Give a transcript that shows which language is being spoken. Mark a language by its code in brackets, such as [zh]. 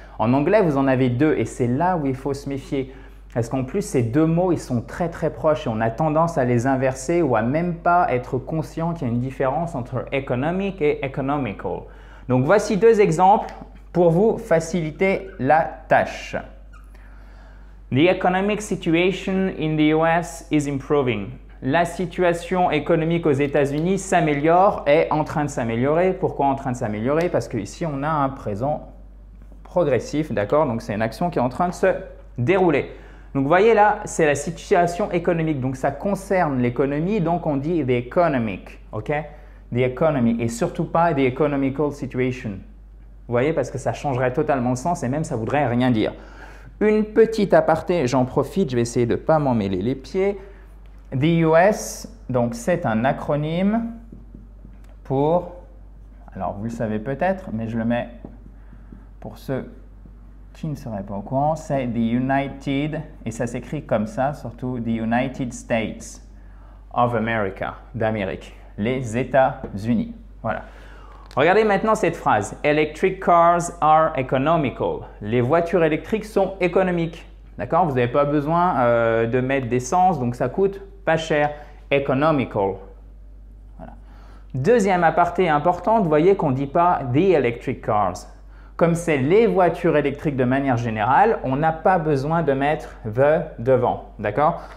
[fr] En anglais, vous en avez deux et c'est là où il faut se méfier. Parce qu'en plus, ces deux mots, ils sont très très proches et on a tendance à les inverser ou à même pas être conscient qu'il y a une différence entre economic et economical. Donc voici deux exemples pour vous faciliter la tâche. [en] The economic situation in the US is improving. [fr] La situation économique aux États-Unis s'améliore, est en train de s'améliorer. Pourquoi en train de s'améliorer? Parce qu'ici, on a un présent progressif, d'accord? Donc c'est une action qui est en train de se dérouler. Donc, vous voyez là, c'est la situation économique. Donc, ça concerne l'économie. Donc, on dit [en] the economic. OK? The economy. [fr] Et surtout pas [en] the economical situation. [fr] Vous voyez? Parce que ça changerait totalement le sens et même ça voudrait rien dire. Une petite aparté, j'en profite, je vais essayer de ne pas m'en mêler les pieds. The US, donc c'est un acronyme pour. Alors, vous le savez peut-être, mais je le mets pour ceux qui ne serait pas au courant, c'est The United, et ça s'écrit comme ça, surtout [en] The United States of America, [fr] d'Amérique, les États-Unis. Voilà. Regardez maintenant cette phrase. [en] Electric cars are economical. [fr] Les voitures électriques sont économiques. D'accord? Vous n'avez pas besoin de mettre d'essence, donc ça coûte pas cher. Economical. Voilà. Deuxième aparté importante, vous voyez qu'on ne dit pas « [en] the electric cars ». [fr] Comme c'est les voitures électriques de manière générale, on n'a pas besoin de mettre « the » devant, d'accord?